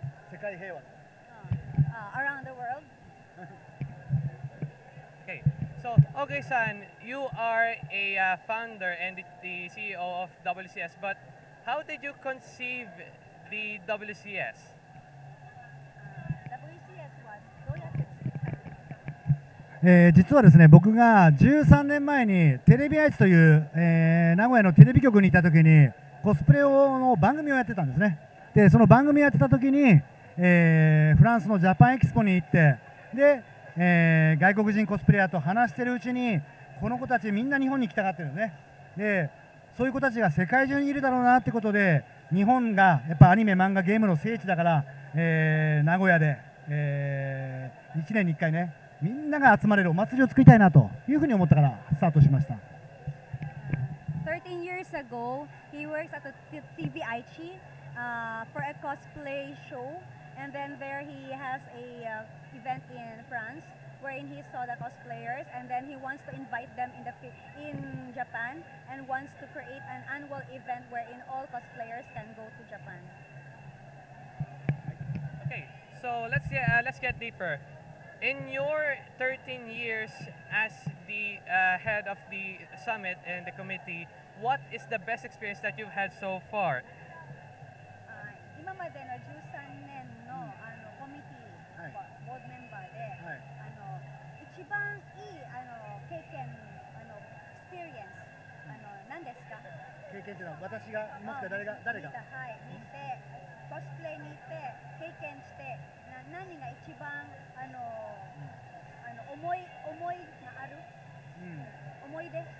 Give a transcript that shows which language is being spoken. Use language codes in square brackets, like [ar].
[ja] 世界平和 [en] around the world. Okay, so Oge-san, you are a founder and the CEO of WCS, butHow did you conceive the WCS? [ja] WCS は実はですね、僕が13年前にテレビ愛知という、名古屋のテレビ局にいたときにコスプレの番組をやってたんですね。でその番組をやってたときに、フランスのジャパンエキスポに行って、で、外国人コスプレイヤーと話してるうちにこの子たちみんな日本に来たがってるね。でそういう子たちが世界中にいるだろうなってことで、日本がやっぱアニメ漫画ゲームの聖地だから、名古屋で、1年に1回ねみんなが集まれるお祭りを作りたいなというふうに思ったからスタートしました。 [en] 13 years ago he works at the TV Aichi for a cosplay show, and then there he has a event in FranceWherein he saw the cosplayers, and then he wants to invite them in Japan, and wants to create an annual event wherein all cosplayers can go to Japan. Okay, so let's get deeper. In your 13 years as the head of the summit and the committee, what is the best experience that you've had so far? [ja] 今までの13年のコミティボードメンバーで。一番いい経験エクスペリエンス何ですか？経験というのは私が持って誰が、はい、見てコスプレに行って経験して何が一番思いがある、うん、思い出、